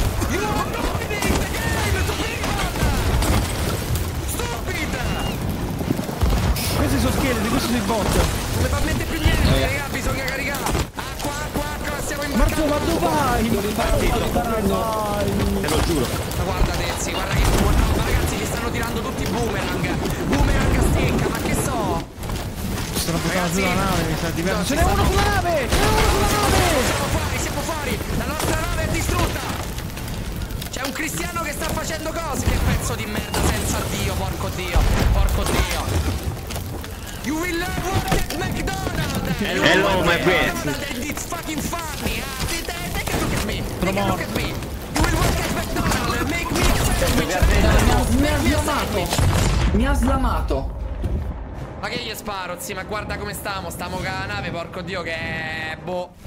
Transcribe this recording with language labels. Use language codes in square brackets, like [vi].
[en] You are dominating the game, Stupid! [it] esoscheletri, questi sono i bot. Probabilmente più niente, raga, bisogna caricare. Acqua, acqua, acqua, siamo in mezzo. Ma dove vai? Sono ripartito. Te lo giuro. Ma guarda Dezzi, guarda che sono buona. Ma ragazzi, gli stanno tirando tutti i boomerang. Boomerang a stecca, ma che so? Sono buttato sulla nave, mi sta divertendo. Ce n'è uno sulla nave! Ce n'è uno sulla nave! Siamo fuori, siamo fuori! La nostra nave è distrutta! C'è un cristiano che sta facendo cose! Che pezzo di merda senza Dio, porco Dio! Porco Dio! [en] You will not work at McDonald's! Hello, my friends! It's fucking funny! Take a look at me! Take a look at me! You will work at McDonald's! Make me a sandwich! [it] Mi ha slamato! Mi ha slamato! Ma che gli sparo, zi, ma guarda come stiamo, stiamo con la nave, porco Dio, che boh.